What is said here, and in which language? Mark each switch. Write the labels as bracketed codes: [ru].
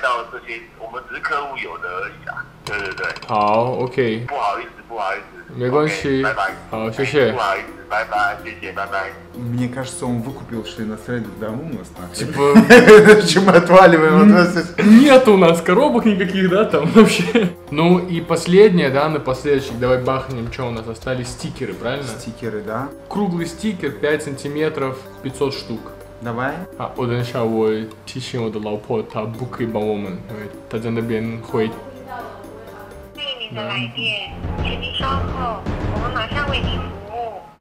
[zh] 没有零卖到这些，我们只是客户有的而已啊。对，好 ，OK。不好意思，不好意思。没关系。 Okay, 拜拜。好，谢谢。不好意思，拜拜，谢谢，拜拜。 [ru] Мне кажется, он выкупил что-то на среду дому у нас. Типа, чем мы отваливаем? Нет у нас коробок никаких, да, там вообще. Ну и последнее, да, напоследок, давай бахнем, что у нас остались, стикеры, правильно? Стикеры, да. Круглый стикер, 5 сантиметров, 500 штук. Давай. [zh] 好，我等一下我提醒我的老婆，她不可以帮我们，因为她在那边会。欢迎您的来电，请您稍后，我们马上为您服务。